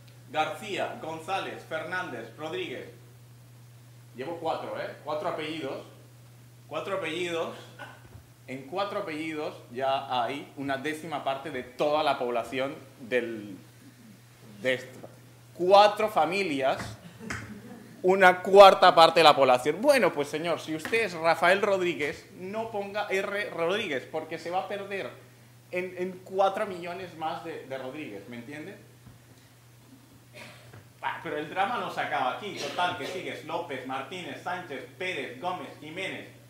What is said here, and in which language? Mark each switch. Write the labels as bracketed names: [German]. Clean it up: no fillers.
[Spanish] García, González, Fernández, Rodríguez. Llevo 4, ¿eh? 4 apellidos. 4 apellidos. En 4 apellidos ya hay una décima parte de toda la población de esto. 4 familias [Catalan] una quarta part de la població. [Spanish] Bueno, pues señor, si usted es Rafael Rodríguez, no ponga R Rodríguez, porque se va a perder en 4 millones más de Rodríguez, ¿me entiende? Ah, pero el drama no se acaba aquí, total, que sigues López, Martínez, Sánchez, Pérez, Gómez, Jiménez.